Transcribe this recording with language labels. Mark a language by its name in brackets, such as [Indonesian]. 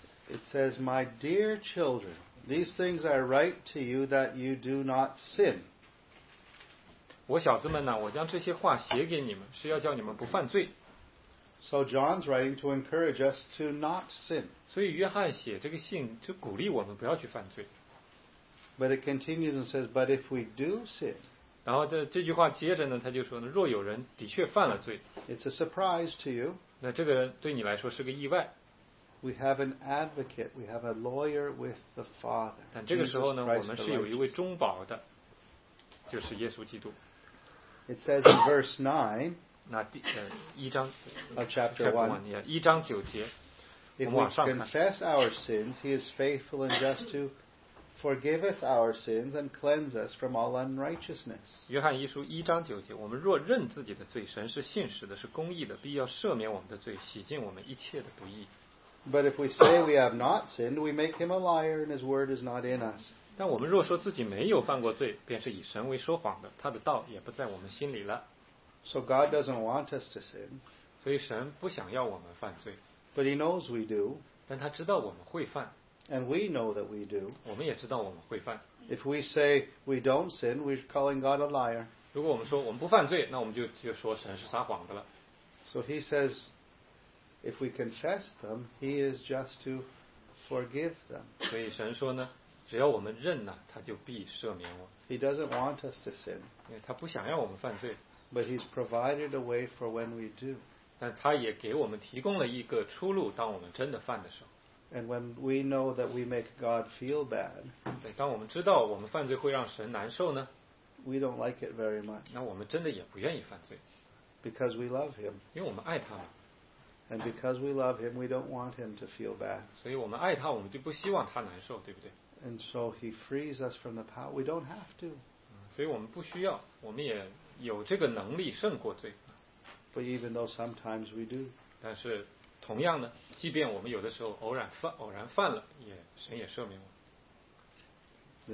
[English] It says, "My dear children, these things I write to you that you do not sin." [Chinese] 我小子们呢，我将这些话写给你们，是要叫你们不犯罪。 [English] So John's writing to encourage us to not sin. [Chinese] 所以约翰写这个信，就鼓励我们不要去犯罪。 [English] But it continues and says, "But if we do sin." [Chinese] 然后这句话接着呢，他就说呢，若有人的确犯了罪， [English] It's a surprise to you. [Chinese] 那这个对你来说是个意外。 [English] We have an advocate, we have a lawyer with the Father. [Chinese] 但这个时候呢，我们是有一位中保的，就是耶稣基督。 [English] It says in verse 9, [Chinese] 那一章 [English] of chapter 1, [Chinese] yeah, 一章九节， [English] If we confess our sins, he is faithful and just to forgiveth our sins and cleanse us from all unrighteousness. [Chinese] 约翰一书一章九节，我们若认自己的罪，神是信实的，是公义的，必要赦免我们的罪，洗净我们一切的不义。 [English] But if we say we have not sinned, we make him a liar, and his word is not in us. [Chinese] 但我们若说自己没有犯过罪，便是以神为说谎的，他的道也不在我们心里了。 [English] So God doesn't want us to sin. [Chinese] 所以神不想要我们犯罪。 [English] But he knows we do. [Chinese] 但他知道我们会犯。 [English] And we know that we do. [Chinese] 我们也知道我们会犯。 [English] If we say we don't sin, we're calling God a liar. [Chinese] 如果我们说我们不犯罪，那我们就说神是撒谎的了。 [English] So he says, if we confess them, he is just to forgive them. [Chinese] 所以神说呢，只要我们认了，他就必赦免我。 [English] He doesn't want us to sin. [Chinese] 因为他不想要我们犯罪。 [English] But he's provided a way for when we do. [Chinese] 但他也给我们提供了一个出路，当我们真的犯的时候。 [English] And when we know that we make God feel bad, [Chinese] 对，当我们知道我们犯罪会让神难受呢， [English] we don't like it very much. [Chinese] 那我们真的也不愿意犯罪。 [English] Because we love him. [Chinese] 因为我们爱他嘛。 [English] And because we love him, we don't want him to feel bad. [Chinese] 所以我们爱他，我们就不希望他难受，对不对？ [English] And so he frees us from the power. We don't have to. [Chinese] 所以我们不需要，我们也有这个能力胜过罪。 [English] But even though sometimes we do. [Chinese] 但是同样呢，即便我们有的时候偶然犯了，也神也赦免我。